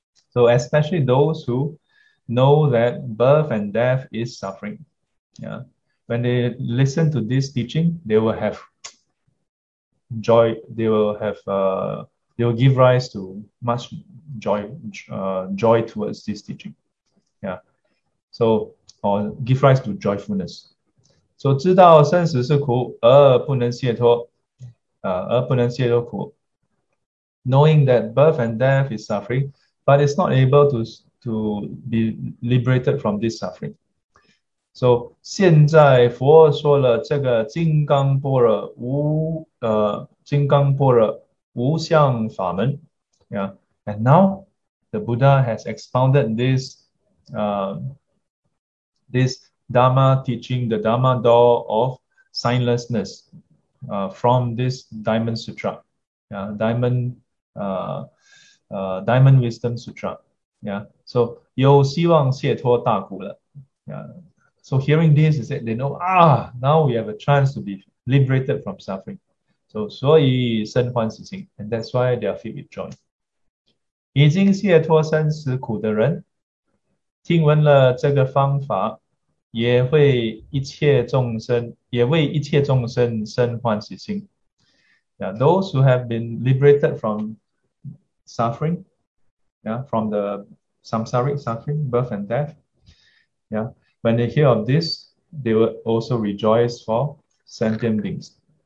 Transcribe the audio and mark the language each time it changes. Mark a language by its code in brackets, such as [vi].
[en] So especially those who know that birth and death is suffering, yeah. When they listen to this teaching, they will have joy. They will have they will give rise to much joy, joy towards this teaching, yeah. So or give rise to joyfulness. So [zh] 知道生死是苦而不能解脱苦. [en] Knowing that birth and death is suffering, but it's not able to be liberated from this suffering. So [zh] 现在佛说了这个金刚般若无相法门, [en] yeah. And now the Buddha has expounded this Dharma teaching, the Dharma door of signlessness, from this Diamond Sutra, yeah, Diamond Wisdom Sutra, yeah. So [zh] 有希望解脱大苦了, [en] yeah. So hearing this, is that they know, now we have a chance to be liberated from suffering. So [zh] yi sen huan si xing, [en] and that's why they are filled with joy. [zh] 已经解脱生死苦的人，听闻了这个方法，也为一切众生生欢喜心. [en] Yeah, those who have been liberated from suffering, yeah, from the samsaric suffering, birth and death, yeah. When they hear of this, they will also rejoice for sentient beings.